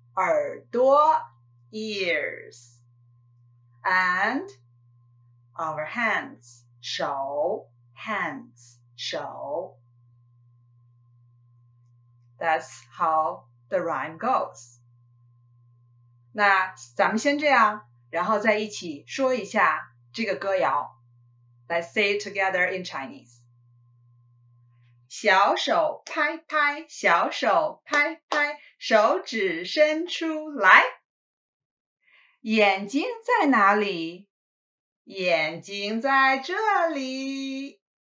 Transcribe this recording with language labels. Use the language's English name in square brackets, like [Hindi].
[Chinese] 耳朵 [English] Ears. And our hands. [Chinese] 手 [English] hands, 手 That's how the rhyme goes. [Chinese] 那咱们先这样，然后再一起说一下这个歌谣。 [English] Let's say it together in Chinese. [Chinese] 小手拍拍，小手拍拍，手指伸出来。眼睛在哪里？眼睛在这里。